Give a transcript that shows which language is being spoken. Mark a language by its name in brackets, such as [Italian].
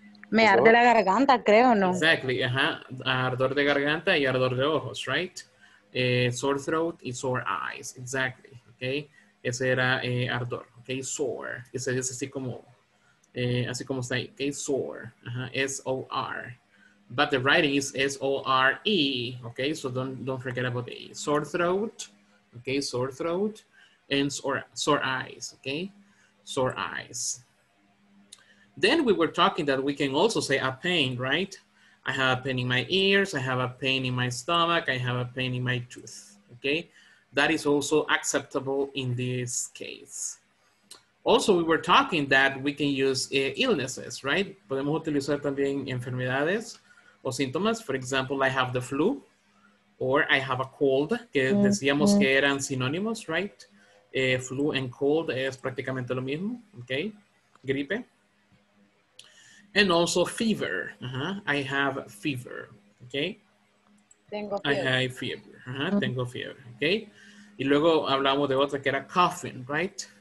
[Spanish] Me arde la garganta, creo, ¿no? Exactly, uh-huh. Ardor de garganta y ardor de ojos, right? [English] Sore throat y sore eyes, exactly. Okay, [Spanish] ese era ardor, [English] okay, sore. [Spanish] Y se dice así como, así como está ahí, okay, sore. [English] Uh-huh. S-O-R. But the writing is S-O-R-E, okay? So don't forget about the E. Sore throat, okay? Sore throat and sore eyes, okay? Sore eyes. Then we were talking that we can also say a pain, right? I have a pain in my ears, I have a pain in my stomach, I have a pain in my tooth, okay? That is also acceptable in this case. Also, we were talking that we can use illnesses, right? [Spanish] Podemos utilizar también enfermedades. O síntomas, [English] for example, I have the flu, or I have a cold, [Spanish] que decíamos que eran sinónimos, [English] right? [Spanish] Flu and cold es prácticamente lo mismo, okay? Gripe. [English] And also fever, uh-huh. I have fever, okay? [Spanish] Tengo fiebre. [English] I have fever, uh-huh. Mm-hmm. [Spanish] Tengo fiebre, [English] okay? [Spanish] Y luego hablamos de otra que era coughing, right?